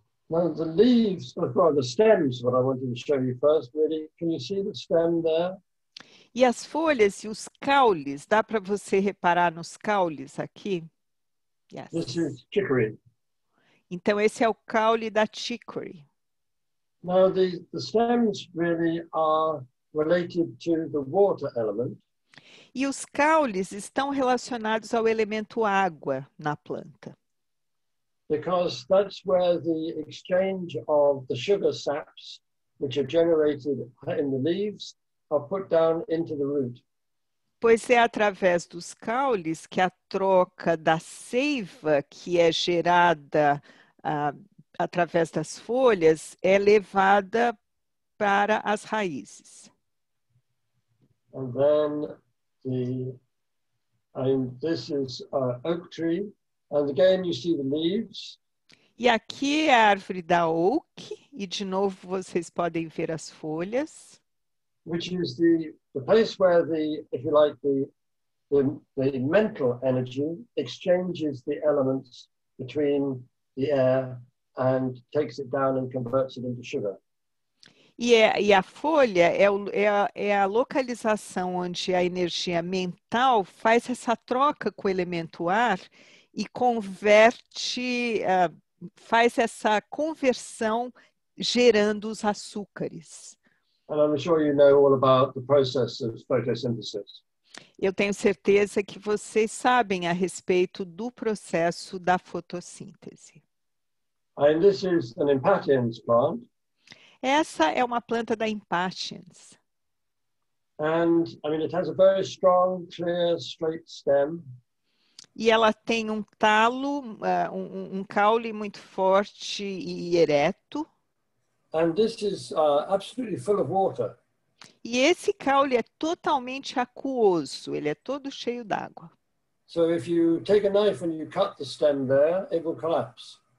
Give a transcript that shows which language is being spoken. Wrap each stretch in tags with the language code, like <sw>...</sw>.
<en>Now the leaves, or the stems, what I wanted to show you first, really. Can you see the stem there?</en> <pt>E as folhas e os caules, dá para você reparar nos caules aqui?</pt> <en>Yes. This is chicory.</en> <pt>Então esse é o caule da chicory.</pt> <en>Now the stems really are related to the water element.</en> <pt>E os caules estão relacionados ao elemento água na planta.</pt> <en>Because that's where the exchange of the sugar saps, which are generated in the leaves, are put down into the root.</en> <pt>Pois é através dos caules que a troca da seiva que é gerada através das folhas é levada para as raízes.</pt> <en>And then this is an oak tree. And again, you see the leaves.</en> <pt>E aqui é a árvore da oak. E de novo, vocês podem ver as folhas.</pt> <en>Which is the place where the, if you like, the mental energy exchanges the elements between the air and takes it down and converts it into sugar.</en> <pt>E a folha é a localização onde a energia mental faz essa troca com o elemento ar e converte, faz essa conversão gerando os açúcares.</pt> <en>And I'm sure you know all about the process of photosynthesis.</en> <pt>Eu tenho certeza que vocês sabem a respeito do processo da fotossíntese.</pt> <en>And this is an impatiens plant.</en> <pt>Essa é uma planta da impatiens.</pt> <en>And I mean it has a very strong, clear, straight stem.</en> <pt>E ela tem um talo, um caule muito forte e ereto.</pt> <en>And this is absolutely full of water.</en> <pt>E esse caule é totalmente aquoso, ele é todo cheio d'água.</pt> <en>So if you take a knife and you cut the stem there, it will collapse.</en>